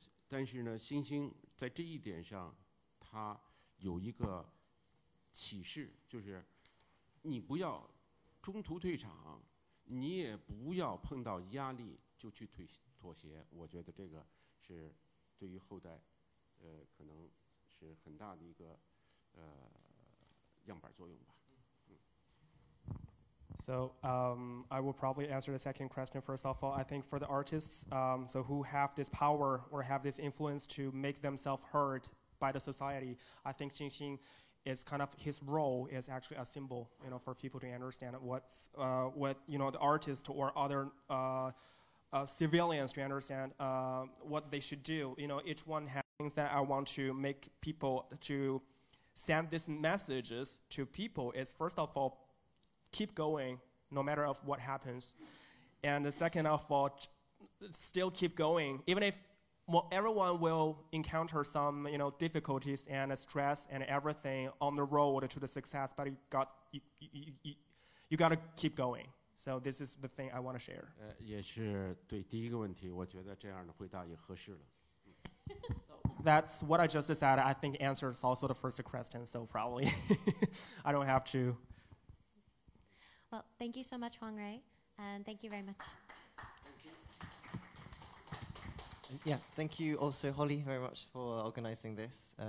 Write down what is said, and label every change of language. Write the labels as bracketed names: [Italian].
[Chinese] 但是呢，星星在这一点上，它有一个启示，就是你不要中途退场，你也不要碰到压力就去妥协。我觉得这个是对于后代，可能是很大的一个样板作用吧。 [English] So I will probably answer the second question. First of all, I think for the artists, so who have this power or have this influence to make themselves heard by the society, I think Xingxing is kind of his role is actually a symbol, you know, for people to understand what's what, you know, the artist or other civilians to understand what they should do. You know, each one has things that I want to make people to send these messages to people is first of all, keep going no matter of what happens. And the second of all, still keep going. Even if everyone will encounter some, you know, difficulties and stress and everything on the road to the success, but you got to keep going. So this is the thing I want to share. [Chinese] 也是对第一个问题，我觉得这样的回答也合适了。 [English] That's what I just said. I think answers also the first question, so probably I don't have to. Well, thank you so much, Huang Rui, and thank you very much. Thank you. Yeah, thank you also, Holly, very much for organizing this.